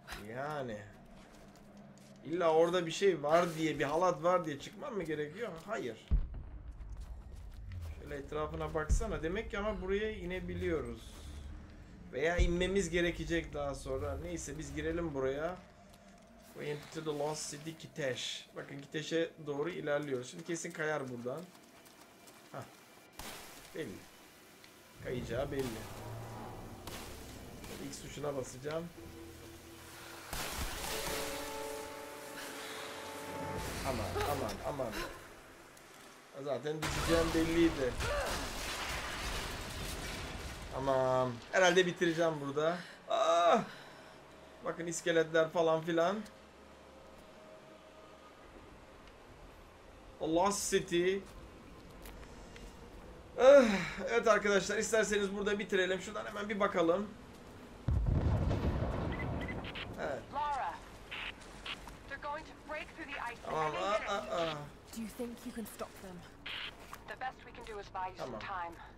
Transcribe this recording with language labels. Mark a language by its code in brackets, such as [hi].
[tr] Yani illa orada bir şey var diye, bir halat var diye çıkmam mı gerekiyor? Hayır. Şöyle etrafına baksana. Demek ki ama buraya inebiliyoruz. Veya inmemiz gerekecek daha sonra. Neyse, biz girelim buraya. [en] Went to the lost city, Kitesh. [tr] Bakın, Kitesh'e doğru ilerliyoruz. Şimdi kesin kayar buradan. Belli. Kayacağı belli. X tuşuna basacağım. Aman aman aman. Zaten düşeceğim belliydi. Tamam. Herhalde bitireceğim burada. Bakın, iskeletler falan filan. [en] Lost City. [tr] Evet arkadaşlar, isterseniz burada bitirelim. Şuradan hemen bir bakalım. Evet. Lara. [en] They're going to break through the ice. [tr] Tamam. [en] Do you think you can stop them? The best we can do is buy you some time.